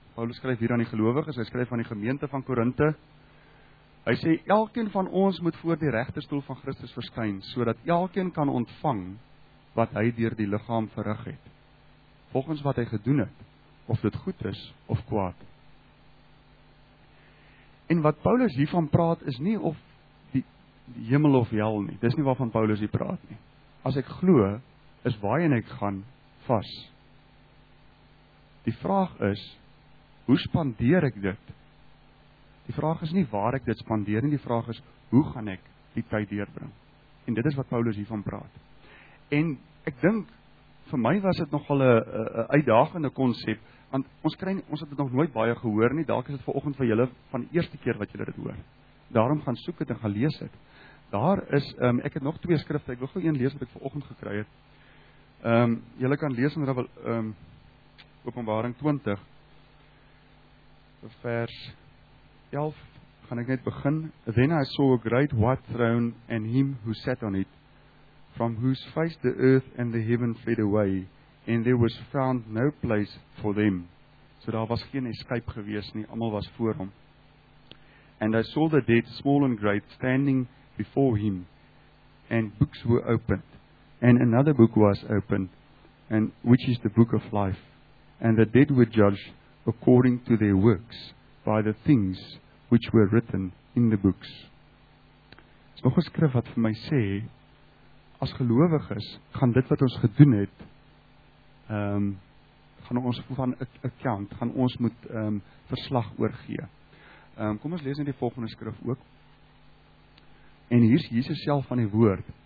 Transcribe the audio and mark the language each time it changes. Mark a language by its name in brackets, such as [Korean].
[Afrikaans] Paulus skryf hier aan die gelowiges, hy skryf aan die gemeente van Korinthe. Hy sê, elkeen van ons moet voor die regterstoel van Christus verskyn, sodat elkeen kan ontvang wat hy deur die liggaam verrig het. Volgens wat hy gedoen het, of dit goed is, of kwaad. En wat Paulus hiervan praat, is nie of die hemel of hel nie. Dis nie waarvan Paulus hier praat nie. As ek glo, is waarheen ek gaan vas. Die vraag is, hoe spandeer ek dit? Die vraag is nie waar ek dit spandeer nie, die vraag is, hoe gaan ek die tyd deurbring? En dit is wat Paulus hiervan praat. En ek dink, vir my was dit nogal 'n uitdagende konsep, want ons het dit nog nooit baie gehoor nie, dalk is dit vanoggend vir julle van die eerste keer wat julle dit hoor. Daarom gaan soek het en gaan lees het. Daar is, ek het nog twee skrifte, ek wil gou een lees wat ek vanoggend gekry het. Julle kan lees in Openbaring 20, vers 11, gaan ek net begin. [English] Then I saw a great white throne and him who sat on it, from whose face the earth and the heaven fled away, and there was found no place for them. [Afrikaans] So daar was geen escape gewees nie, allemaal was voor hom. [English] And I saw the dead, small and great, standing before him, and books were opened, and another book was opened, and which is the book of life, and the dead were judged according to their works, by the things which were written in the books. [Afrikaans] So nog 'n skrif wat vir my sê, as gelowiges, gaan dit wat ons gedoen het, gaan ons van account, gaan ons moet verslag oorgee. Kom ons lees in die volgende skrif ook. En hier is Jesus self van die woord.